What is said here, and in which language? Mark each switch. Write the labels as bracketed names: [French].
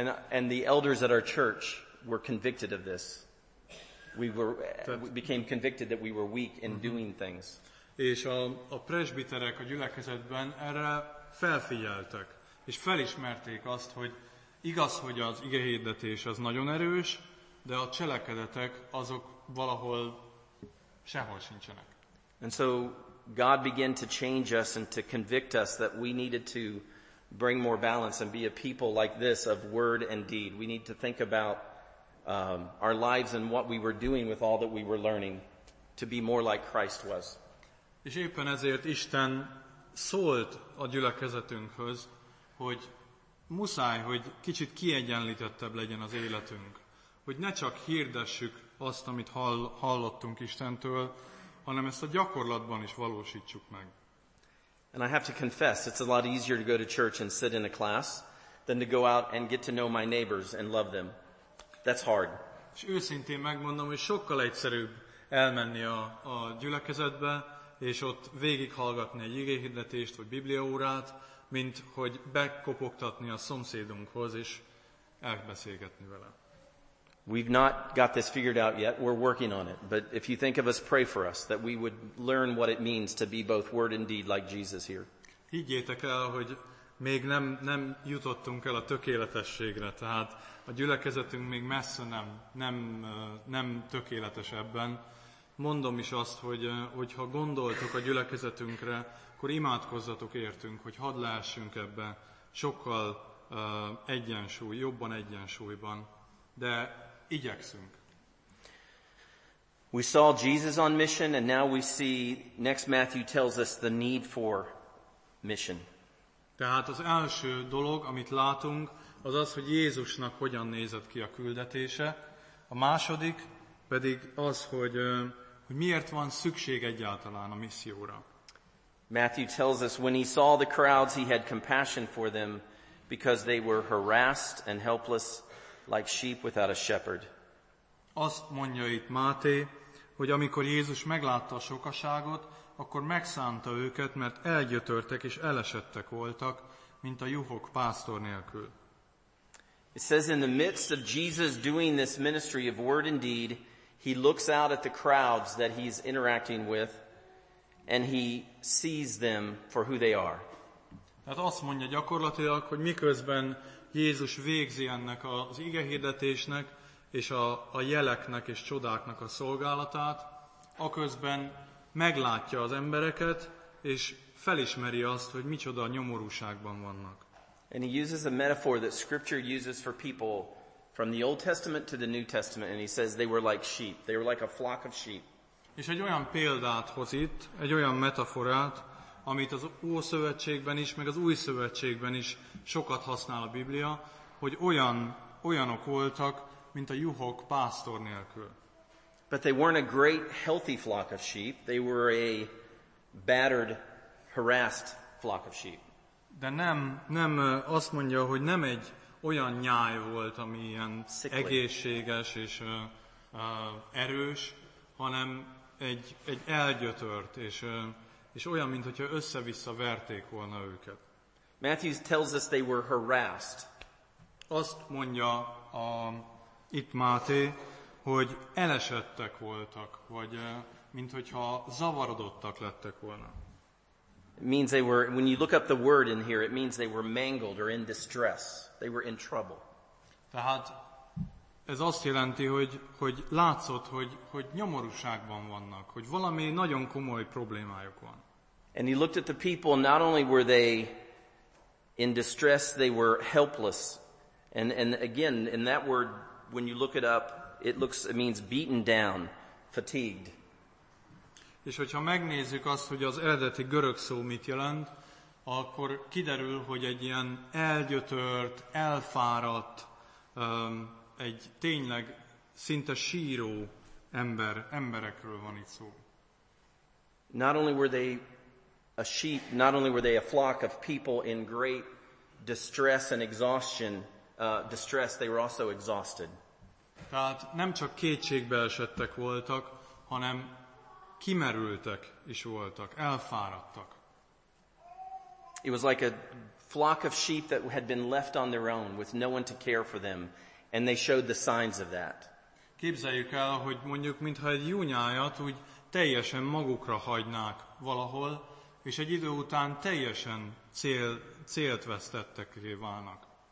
[English] And the elders at our church were convicted of this. We became convicted that we were weak in doing things. [Hungarian] És a presbiterek a gyülekezetben erre felfigyeltek, és felismerték azt, hogy igaz, hogy az igehirdetés az nagyon erős, de a cselekedetek azok valahol sehol sincsenek. [English] And so God began to change us and to convict us that we needed to bring more balance and be a people like this of word and deed. We need to think about our lives and what we were doing with all that we were learning. to be more like Christ was. [Hungarian] És éppen ezért Isten szólt a gyülekezetünkhöz, hogy muszáj, hogy kicsit kiegyenlítettebb legyen az életünk. Hogy ne csak hirdessük azt, amit hallottunk Istentől, hanem ezt a gyakorlatban is valósítsuk meg. [English] And I have to confess, it's a lot easier to go to church and sit in a class than to go out and get to know my neighbors and love them. That's hard. [Hungarian] És őszintén megmondom, hogy sokkal egyszerűbb elmenni a gyülekezetbe, és ott végighallgatni egy igéhirdetést vagy bibliaórát, mint hogy bekopogtatni a szomszédunkhoz és elbeszélgetni vele. [English] We've not got this figured out yet. We're working on it. But if you think of us, pray for us that we would learn what it means to be both word and deed like Jesus here. [Hungarian] Higgyétek el, hogy még nem jutottunk el a tökéletességre, tehát a gyülekezetünk még messze nem tökéletes ebben. Mondom is azt, hogy ha gondoltok a gyülekezetünkre, akkor imádkozzatok értünk, hogy hadd lehessünk ebbe sokkal jobban egyensúlyban, de igyekszünk. [English] We saw Jesus on mission, and now we see, next Matthew tells us the need for mission. [Hungarian] Tehát az első dolog, amit látunk, az, hogy Jézusnak hogyan nézett ki a küldetése. A második pedig az, hogy miért van szükség egyáltalán a misszióra. [English] Matthew tells us, when he saw the crowds, he had compassion for them, because they were harassed and helpless, like sheep without a shepherd. [Hungarian] Azt mondja itt Máté, hogy amikor Jézus meglátta a sokaságot, akkor megszánta őket, mert elgyötörtek és elesettek voltak, mint a juhok pásztor nélkül. [English] It says in the midst of Jesus doing this ministry of word and deed, he looks out at the crowds that he's interacting with, and he sees them for who they are. [Hungarian] Tehát azt mondja gyakorlatilag, hogy miközben Jézus végzi ennek az igehirdetésnek és a jeleknek és csodáknak a szolgálatát, aközben meglátja az embereket, és felismeri azt, hogy micsoda nyomorúságban vannak. [English] And he uses a metaphor that scripture uses for people from the Old Testament to the New Testament, and he says they were like sheep. They were like a flock of sheep. [Hungarian] És egy olyan példát hoz itt, egy olyan metaforát, amit az Ószövetségben is, meg az Új Szövetségben is sokat használ a Biblia, hogy olyanok voltak, mint a juhok pásztor nélkül. [English] But they weren't a great, healthy flock of sheep. They were a battered, harassed flock of sheep. [Hungarian] De nem azt mondja, hogy nem egy olyan nyáj volt, ami ilyen egészséges és erős, hanem egy elgyötört, és olyan, mintha össze-vissza verték volna őket. [English] Matthew tells us they were harassed. [Hungarian] Azt mondja itt Máté, hogy elesettek voltak, vagy mintha zavarodottak lettek volna. [English] It means they were, when you look up the word in here, it means they were mangled or in distress. They were in trouble. [Hungarian] Tehát ez azt jelenti, hogy látszott, hogy nyomorúságban vannak, hogy valami nagyon komoly problémájuk van. [English] And he looked at the people, not only were they in distress, they were helpless. And again, in that word, when you look it up, it means beaten down, fatigued. [Hungarian] És hogyha megnézzük azt, hogy az eredeti görög szó mit jelent, akkor kiderül, hogy egy ilyen elgyötört, elfáradt, egy tényleg szinte síró emberekről van itt szó. [English] Not only were they a sheep, not only were they a flock of people in great distress and exhaustion, they were also exhausted. [Hungarian] Tehát nem csak kétségbe esettek voltak, hanem kimerültek is voltak, elfáradtak. [English] It was like a flock of sheep that had been left on their own with no one to care for them, and they showed the signs of that. [Hungarian] Képzeljük el, hogy mondjuk mintha egy júnyájat úgy teljesen magukra hagynák valahol, és egy idő után teljesen célt vesztettekké válnak.